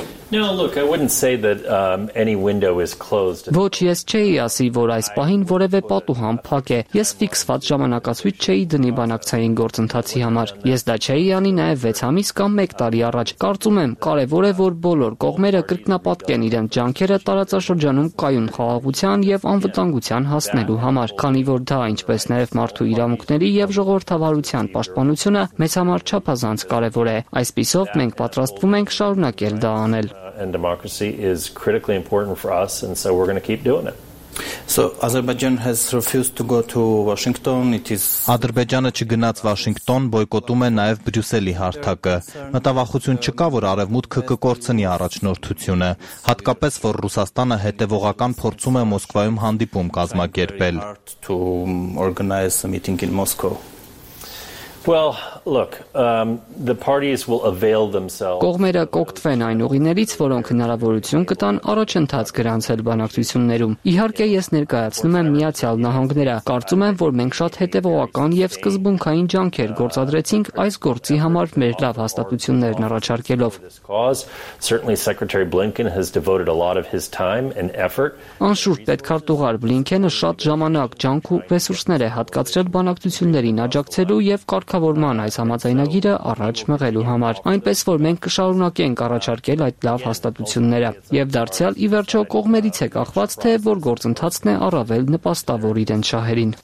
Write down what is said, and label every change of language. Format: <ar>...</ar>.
<en>No, look, I wouldn't say that any window is closed.</en> <hy>Ոչ, ես չէի ասի, որ այս պահին որևէ պատուհան փակ է։ Ես ֆիքսված ժամանակացույց չէի դնի բանակցային գործընթացի համար։ Ես դա չէի անի նաև 6 ամիս կամ 1 տարի առաջ։ Կարծում եմ, կարևոր է, որ բոլոր կողմերը կրկնապատկեն իրենց ջանքերը տարածաշրջանում կայուն խաղաղության եւ անվտանգության հասնելու համար, քանի որ դա, ինչպես նաև մարդու իրավունքների եւ ժողովրդավարության պաշտպանությունը, մեզ համար չափազանց կարևոր է։ Այսպիսով մենք պատրաստվում ենք շարունակել դա անել։</hy> <en>And democracy is critically important for us, and so we're going to keep doing it. So Azerbaijan has refused to go to Washington. It is</en> <hy>Ադրբեջանը չգնաց Վաշինգտոն, բոյկոտում է նաև Բրյուսելի հարթակը։ Մտավախություն չկա, որ Արևմուտքը կկորցնի առաջնորդությունը, հատկապես որ Ռուսաստանը հետևողական փորձում է Մոսկվայում հանդիպում կազմակերպել։</hy> <en>To organize a meeting in Moscow. Well, look, the parties will avail themselves.</en> <hy>Կողմերը կօգտվեն այն ուղիներից, որոնք հնարավորություն կտան առաջընթաց գրանցել բանակցություններում։ Իհարկե, ես ներկայացնում եմ Միացյալ Նահանգները։ Կարծում եմ, որ մենք շատ հետևողական եւ սկզբունքային ջանքեր գործադրեցինք այս գործի համար մեր լավ հաստատություններն առաջարկելով։</hy> <en>Certainly Secretary Blinken has devoted a lot of his time and effort.</en> <hy>Անշուշտ պետք Քարտուղար Բլինքենը շատ ժամանակ, ջանք ու ռեսուրսներ է հատկացրել բանակցություններին աջակցելու եւ կարգավորման այս համաձայնագիրը առաջ մղելու համար, այնպես որ մենք կշարունակենք առաջարկել այդ լավ հաստատությունները, եւ դարձյալ ի վերջո կողմերից է կախված, թե որ գործընթացն է առավել նպաստավոր իրենց շահերին։</hy>